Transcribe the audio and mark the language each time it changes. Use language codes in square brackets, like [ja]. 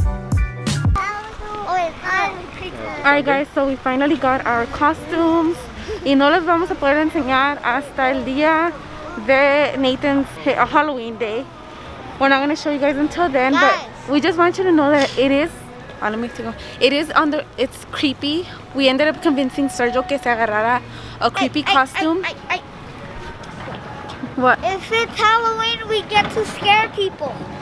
[en] Alright guys, so we finally got our costumes. [es] Y no les vamos a poder enseñar hasta el día de Nathan's Halloween day. [en] We're not gonna show you guys until then, yes. But we just want you to know that it is, oh, let me take off. It is under, it's creepy. We ended up convincing Sergio que se agarrara a creepy costume. I. What? If it's Halloween, we get to scare people.